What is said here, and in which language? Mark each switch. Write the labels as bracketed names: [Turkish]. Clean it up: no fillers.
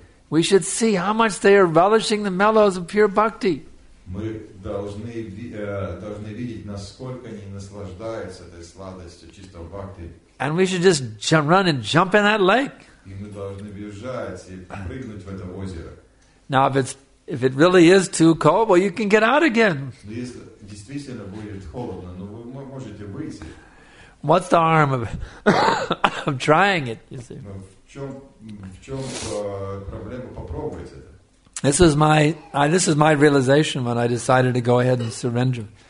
[English] We should see how much they are relishing the mellows of pure bhakti. [Russian] Мы должны видеть, насколько они наслаждаются этой сладостью чистого бхакти. [English] And we should just run and jump in that lake. [Russian] И мы должны бежать и прыгнуть в это озеро. [English] Now, if it really is too cold, well, you can get out again. [Russian] Если действительно будет холодно, но вы можете выйти. [English] What's the harm of of trying it? You see. [Russian] В чем проблема попробовать это? [English] This is my realization when I decided to go ahead and surrender.